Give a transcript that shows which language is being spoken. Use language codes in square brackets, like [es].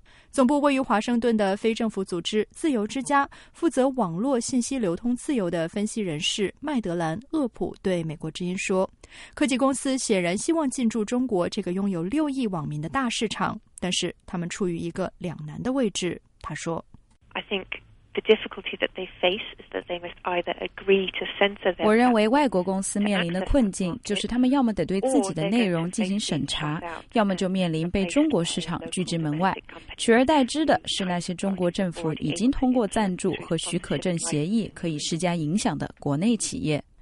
[zh] 总部位于华盛顿的非政府组织自由之家负责网络信息流通自由的分析人士麦德兰·厄普对美国之音说，科技公司显然希望进驻中国这个拥有6亿网民的大市场，但是他们处于一个两难的位置。他说， [en] I think the difficulty that they face is that they must either agree to censor them. [zh] 我认为外国公司面临的困境就是他们要么得对自己的内容进行审查，要么就面临被中国市场拒之门外。取而代之的是那些中国政府已经通过赞助和许可证协议可以施加影响的国内企业。